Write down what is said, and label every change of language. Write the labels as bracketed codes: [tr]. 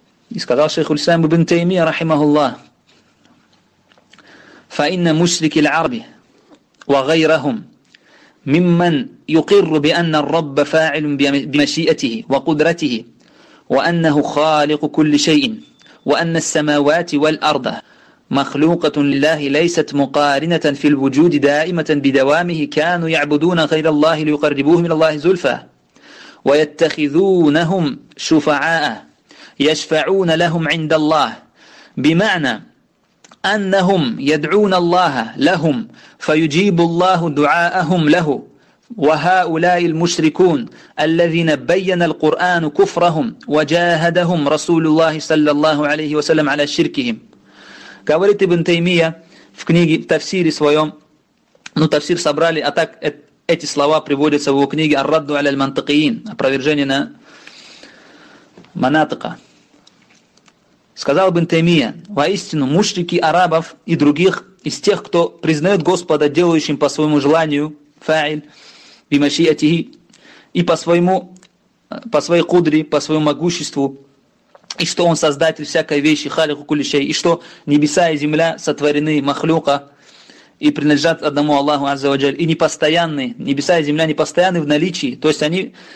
[ru] И сказал шейх Уль-Ислам ибн Таймия, рахимахуллах, [ar] «Фаинна муслики л-арби, ва гайрахум, мимман юкирру би анна рабба фаилум би машиятихи, ва кудратихи, ва аннаху халику кулли шейин, ва анна ссамавати вал арда, махлюкатун лиллахи лейсат мукаринатан фил вуджуди даиматан бидавамихи, кану ябудуна гайра Аллахи ли юкарибухим лиллахи зульфа, ва яттахидунахум шуфааа». يشفعون لهم عند الله بمعنى أنهم يدعون الله لهم فيجيب الله دعاءهم له وهؤلاء المشركون الذين بين القرآن كفرهم وجاهدهم رسول الله صلى الله عليه وسلم على شركهم [ru] говорит ابن تيمية в книге в تفسيري своем ну تفسير собрали а так эти слова приводятся в его книге [ar] الرد على المنطقيين [ru] опровержение на منطقه. Сказал бен Таймия, воистину, мушрики арабов и других, из тех, кто признает Господа, делающим по своему желанию, [ar] фаиль, бимашиятихи, [ru] и по своей кудри, по своему могуществу, и что он создатель всякой вещи, [ar] халику кулишей, [ru] и что небеса и земля сотворены махлюка, и принадлежат одному Аллаху Аззаваджаль, и непостоянны, небеса и земля непостоянны в наличии, то есть они...